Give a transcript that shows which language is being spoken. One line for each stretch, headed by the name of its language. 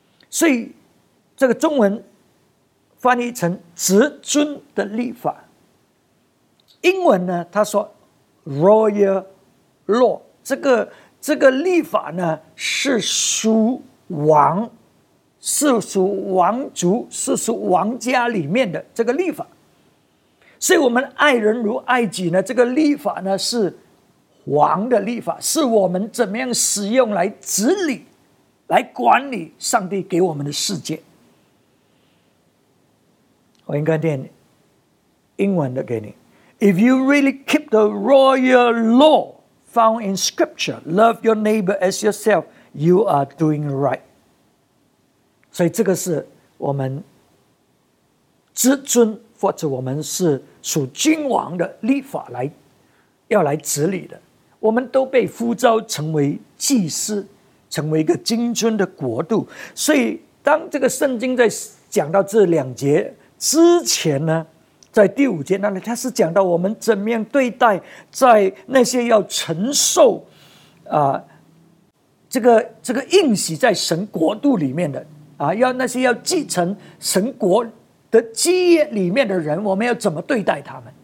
Chinese: 所以这个中文翻译成至尊的立法，英文呢他说 royal law， 这个立法呢是属王，是属王族，是属王家里面的这个立法。所以我们爱人如爱己呢，这个立法呢是王的立法，是我们怎么样使用来治理来管理上帝给我们的世界。我应该念英文的给你，
English: If you really keep the royal law found in scripture, love your neighbor as yourself, you are doing right。
Chinese: 所以这个是我们至尊或者我们是属君王的立法来要来治理的。我们都被呼召成为祭司，成为一个君尊的国度。所以当这个圣经在讲到这两节之前呢，在第五节那里，他是讲到我们怎么样对待在那些要承受这个应许在神国度里面的要那些要继承神国的基业里面的人，我们要怎么对待他们？